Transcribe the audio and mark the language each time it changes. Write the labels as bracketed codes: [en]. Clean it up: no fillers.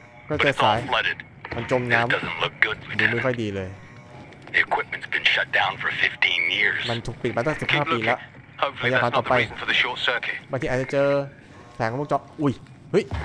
[th] ก็เจอสายมันจมน้ำดูไม่ค่อยดีเลย [en] The equipment's been shut down for 15 years. [th] มันถูกปิดมาตั้ง15ปีแล้ว พยายามต่อไป บางทีอาจจะเจอแสงวงจรอุ้ยเฮ้ย